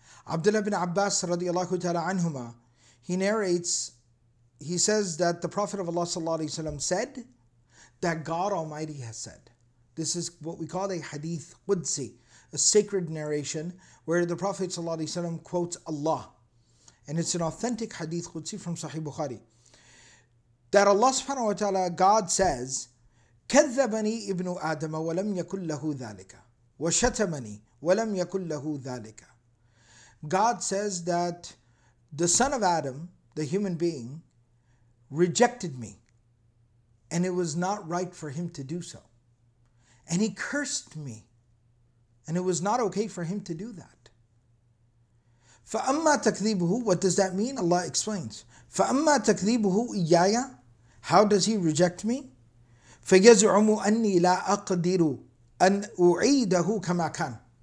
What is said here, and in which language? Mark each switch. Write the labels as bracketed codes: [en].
[en] Abdullah ibn Abbas radiallahu ta'ala anhuma, he narrates, he says that the Prophet of Allah sallallahu alayhi wa sallam said that God Almighty has said. This is what we call a hadith Qudsi, a sacred narration where the Prophet ﷺ quotes Allah. And it's an authentic hadith Qudsi from Sahih Bukhari. [ar] That Allah subhanahu wa ta'ala, God says, كَذَّبَنِي إِبْنُ آدَمَ وَلَمْ يَكُلْ لَهُ ذَلِكَ وَشَتَمَنِي وَلَمْ يَكُلْ لَهُ ذَلِكَ. [en] God says that the son of Adam, the human being, rejected me. And it was not right for him to do so. And he cursed me. And it was not okay for him to do that. فَأَمَّا تَكْذِيبُهُ, what does that mean? Allah explains. فَأَمَّا تَكْذِيبُهُ إِيَّايَ, how does he reject me? [ar] فَيَزْعُمُ أَنِّي لَا أَقْدِرُ أَنْ أُعِيدَهُ كَمَا كَانَ.